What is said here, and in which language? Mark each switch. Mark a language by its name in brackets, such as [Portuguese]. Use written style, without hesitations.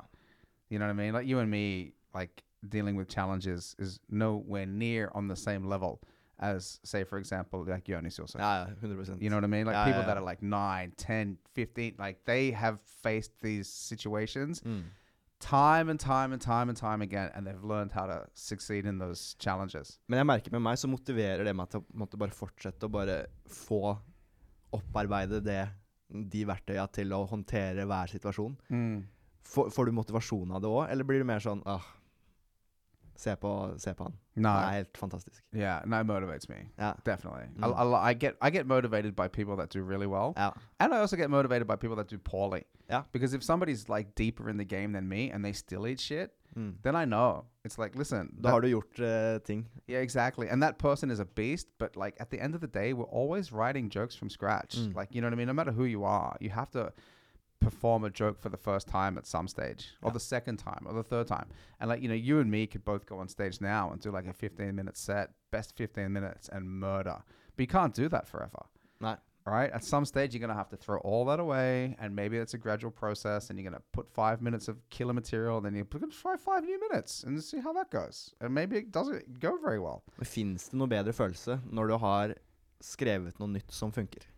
[English] Yeah. You know what I mean? Like you and me, like dealing with challenges is nowhere near on the same level as, say, for example, like Jonas also. Yeah, 100%. You know what I mean? Like people that are like 9, 10, 15, like they have faced these situations time and time and time and time again, and they've learned how to succeed in those challenges. [Norwegian] Men jeg merker med meg så motiverer det meg til å måtte bare fortsette å bare få opparbeide det, de verktøyene til å håndtere hver situasjon. Får du motivasjon av det også? Eller blir du mer sånn, se på han. [English] No. [Norwegian] Han helt fantastisk. [English] Yeah, and that motivates me. Yeah. Definitely. I get motivated by people that do really well. Yeah. And I also get motivated by people that do poorly. Yeah. Because if somebody's like deeper in the game than me and they still eat shit, then I know. It's like, listen. [Norwegian] Da har du gjort ting. [English] Yeah, exactly. And that person is a beast, but like at the end of the day, we're always writing jokes from scratch. Like, you know what I mean? No matter who you are, you have to perform a joke for the first time at some stage or the second time or the third time. And like, you know, you and me could both go on stage now and do like a 15-minute set, best 15 minutes and murder. But you can't do that forever. Right? At some stage, you're going to have to throw all that away and maybe it's a gradual process and you're going to put 5 minutes of killer material and then you're going to try 5 new minutes and see how that goes. And maybe it doesn't go very well. [Norwegian] Finns det noe bedre følelse når du har skrevet noe nytt som funker?